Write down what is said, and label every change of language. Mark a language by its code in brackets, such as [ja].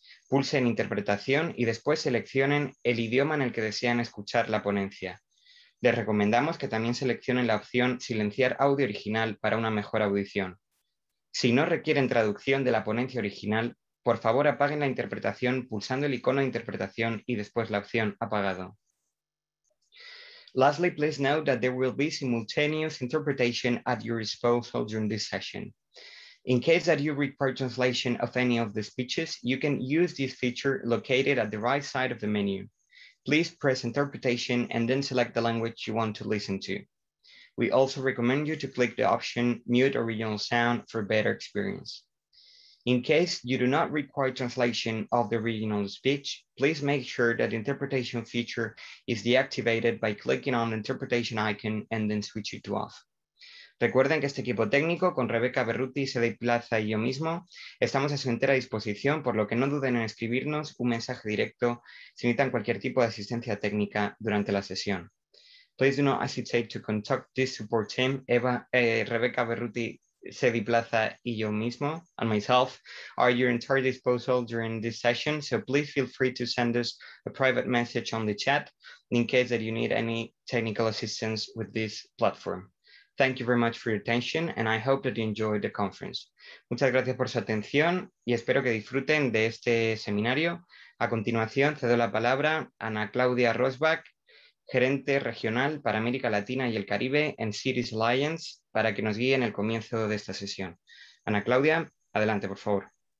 [es] Pulsen Interpretación y después seleccionen el idioma en el que desean escuchar la ponencia. Les recomendamos que también seleccionen la opción Silenciar audio original para una mejor audición. Si no requieren traducción de la ponencia original, por favor, apaguen la interpretación pulsando el icono de interpretación y después la opción apagado. [en] Lastly, please note that there will be simultaneous interpretation at your disposal during this session. In case that you require translation of any of the speeches, you can use this feature located at the right side of the menu. Please press interpretation and then select the language you want to listen to. We also recommend you to click the option mute original sound for better experience. In case you do not require translation of the original speech, please make sure that the interpretation feature is deactivated by clicking on the interpretation icon and then switch it to off. [es] Recuerden que este equipo técnico con Rebeca Berruti, Cede Plaza y yo mismo estamos a su entera disposición, por lo que no duden en escribirnos un mensaje directo si necesitan cualquier tipo de asistencia técnica durante la sesión. [en] Please do not hesitate to contact this support team, Rebeca Berruti, Cedi Plaza [es] y yo mismo, [en] and myself, are at your entire disposal during this session, so please feel free to send us a private message on the chat in case that you need any technical assistance with this platform. Thank you very much for your attention, and I hope that you enjoyed the conference. [es] Muchas gracias por su atención y espero que disfruten de este seminario. A continuación, cedo la palabra a Ana Claudia Rosbach, gerente regional para América Latina y el Caribe en Cities Alliance, para que nos guíe en el comienzo de esta sesión. Ana Claudia, adelante, por favor.